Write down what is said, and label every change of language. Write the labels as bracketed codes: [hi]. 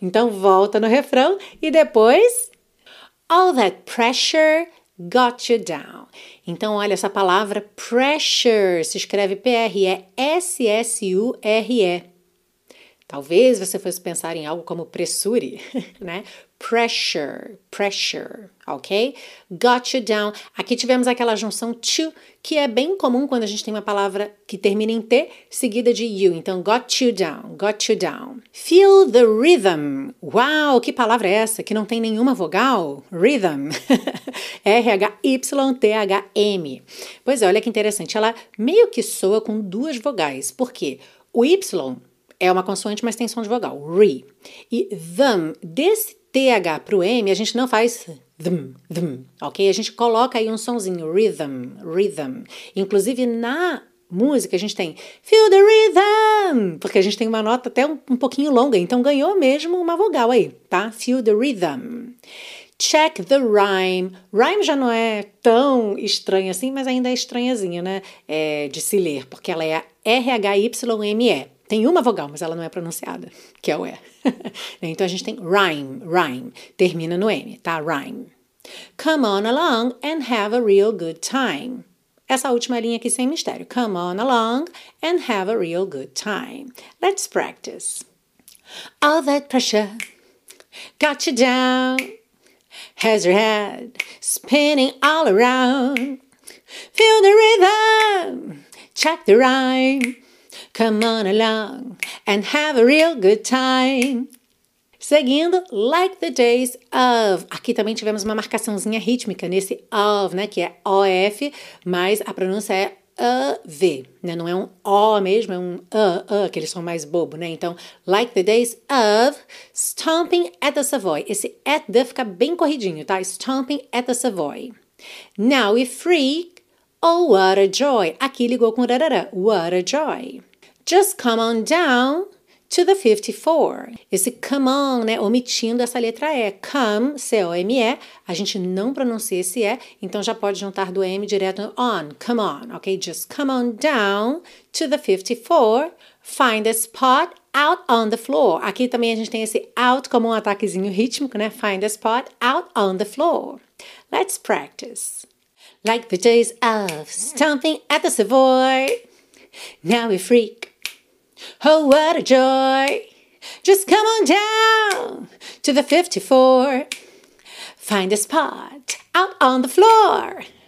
[pt] Então volta no refrão e depois... [en] All that pressure got you down. [pt] Então olha essa palavra, pressure, se escreve P-R-E, S-S-U-R-E. Talvez você fosse pensar em algo como pressure, né? [en] Pressure, pressure, ok? Got you down. [pt] Aqui tivemos aquela junção to, que é bem comum quando a gente tem uma palavra que termina em T, seguida de you. [en] Então, got you down, got you down. Feel the rhythm. [pt] Uau, que palavra é essa? Que não tem nenhuma vogal? Rhythm. R-H-Y-T-H-M. Pois é, olha que interessante. Ela meio que soa com duas vogais. Por quê? O Y é uma consoante, mas tem som de vogal. Re. E them, desse TH para o M, a gente não faz thm, thm, ok? A gente coloca aí um sonzinho, rhythm, rhythm. Inclusive, na música, a gente tem [en] feel the rhythm, [pt] porque a gente tem uma nota até um pouquinho longa, então ganhou mesmo uma vogal aí, tá? [en] Feel the rhythm. Check the rhyme. [pt] Rhyme já não é tão estranha assim, mas ainda é estranhazinha, né? É de se ler, porque ela é R-H-Y-M-E. Tem uma vogal, mas ela não é pronunciada, que é o E. Então, a gente tem rhyme, rhyme. Termina no M, tá? Rhyme. [en] Come on along and have a real good time. [pt] Essa última linha aqui sem mistério. [en] Come on along and have a real good time. Let's practice. All that pressure got you down. Has your head spinning all around. Feel the rhythm, check the rhyme. Come on along and have a real good time. Seguindo, like the days of. [pt] Aqui também tivemos uma marcaçãozinha rítmica nesse of, né? Que é O-F, mas a pronúncia é A-V, né? Não é um O mesmo, é um A-A, aquele som mais bobo, né? [en] Então, like the days of stomping at the Savoy. [pt] Esse at the fica bem corridinho, tá? [en] Stomping at the Savoy. Now we freak, oh what a joy. [pt] Aqui ligou com rarara, [en] what a joy. Just come on down to the 54. [pt] Esse come on, né? Omitindo essa letra E. Come, C-O-M-E. A gente não pronuncia esse E. Então, já pode juntar do M direto no on. [en] Come on, ok? Just come on down to the 54. Find a spot out on the floor. [pt] Aqui também a gente tem esse out como um ataquezinho rítmico, né? [en] Find a spot out on the floor. Let's practice. Like the days of stomping at the Savoy. Now we freak. Oh, what a joy. Just come on down to the 54. Find a spot out on the floor.